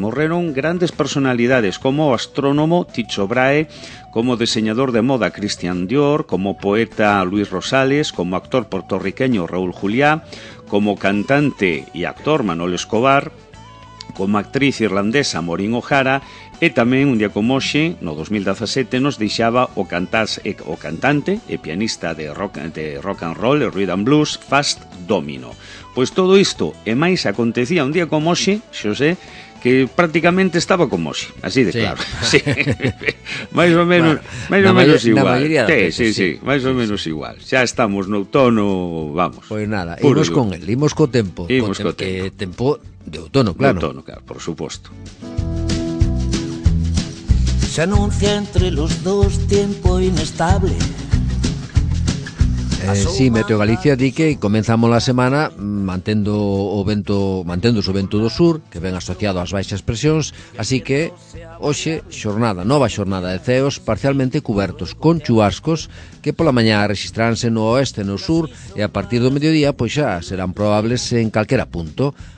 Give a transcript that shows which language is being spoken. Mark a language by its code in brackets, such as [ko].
[gl] Morreron grandes personalidades, como o astrónomo Tycho Brahe, como diseñador de moda Christian Dior, como poeta Luis Rosales, como actor puertorriqueño Raúl Juliá, como cantante y actor Manuel Escobar, como actriz irlandesa Maureen O'Hara, e tamén un día como hoxe, no 2017, nos deixaba o, cantas, o cantante e pianista de rock and roll, e rhythm blues, Fast Domino. Pois todo isto e máis acontecía un día como hoxe, Xosé, que prácticamente estaba con Moshi, así de sí. claro. Sí. Máis ou menos, bueno, máis ou menos igual. Sí, veces, sí, sí, sí, máis ou menos igual. Xa estamos no outono, vamos. Pois [es] pues [gl] nada, imos [es] con el, [gl] imos co tempo, imos co Que tempo de outono, claro. De outono, claro, por suposto. [es] Se anuncia entre los dos tiempo inestable. [gl] Sí, Meteo Galicia di que [es] comenzamos la semana [gl] mantendo o vento, mantendo o vento do sur, que ven asociado ás baixas presións, así que hoxe xornada, nova xornada de ceos parcialmente cubertos con chuascos que pola mañá rexistraranse no oeste e no sur e a partir do mediodía pois xa serán probables en calquera punto.